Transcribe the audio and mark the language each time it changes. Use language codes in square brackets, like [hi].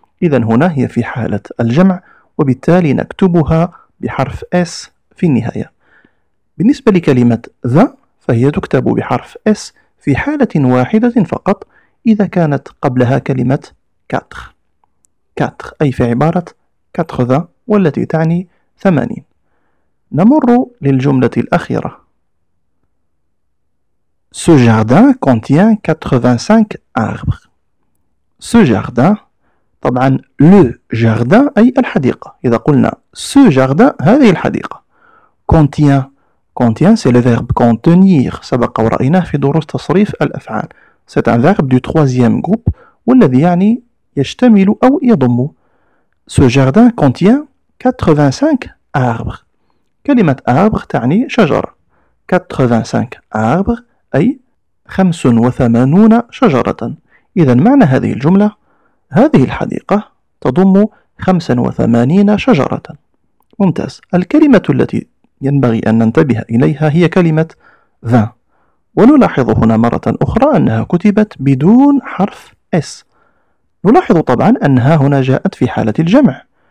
[ar] إذن هنا هي في حالة الجمع، وبالتالي نكتبها بحرف S في النهاية. بالنسبة لكلمة ذا فهي تكتب بحرف S في حالة واحدة فقط، إذا كانت قبلها كلمة 4 أي في عبارة 80 والتي تعني 80. نمر للجملة الأخيرة: [fr] Ce jardin contient 85 arbres. Ce jardin طبعا le jardin [ar] أي الحديقة. إذا قلنا [fr] ce jardin [ar] هذه الحديقة. [fr] contient contient c'est le verbe contenir، [ar] سبق ورأيناه في دروس تصريف الأفعال. [fr] C'est un verbe du troisième groupe [ar] والذي يعني يشتمل أو يضم. [fr] Ce jardin contient 85 arbres. [ar] كلمة arbre تعني شجرة. [fr] 85 arbres [ar] أي 85 شجرة. إذن معنى هذه الجملة هذه الحديقة تضم 85 شجرة. ممتاز. الكلمة التي ينبغي أن ننتبه إليها هي كلمة ذا، ونلاحظ هنا مرة أخرى أنها كتبت بدون حرف S. نلاحظ طبعا أنها هنا جاءت في حالة الجمع